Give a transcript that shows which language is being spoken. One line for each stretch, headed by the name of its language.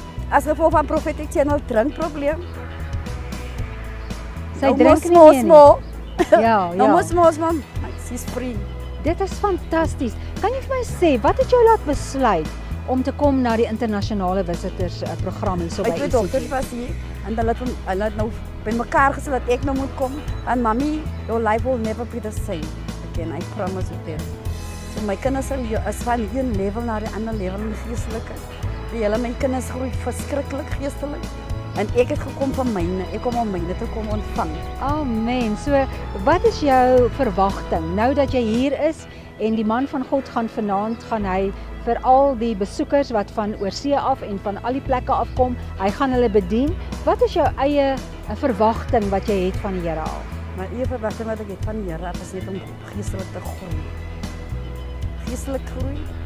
Afrikaans: As gevolg van Prophetic Channel drinkprobleem. Sy drink nie meer nie. Sy is free. Dit is fantasties. Kan jy vir my sê, wat het jou laat besluit om te kom na die internationale visitors program en so by ECG? Twee dokters was hier en hulle het nou bij mekaar gesê dat ek nou moet kom. En mami,
English: your life will never be the same again. I promise you that.
Afrikaans: So my kinders is van een level naar die ander level in die geestelike. Die hele my kinders groei verskrikkelijk geestelik. En ek het gekom van myne, ek kom om myne te kom ontvang. Amen. So, wat is jou verwagting? Nou dat jy hier is en die man van God gaan vanaand, gaan hy vir al die besoekers wat van oorsee af en van al die plekke afkom, hy gaan hulle bedien. Wat is jou eie verwagting wat jy het van die Here af? My eie verwagting wat ek het van die Here af is net om geestelik te groei. Geestelik groei.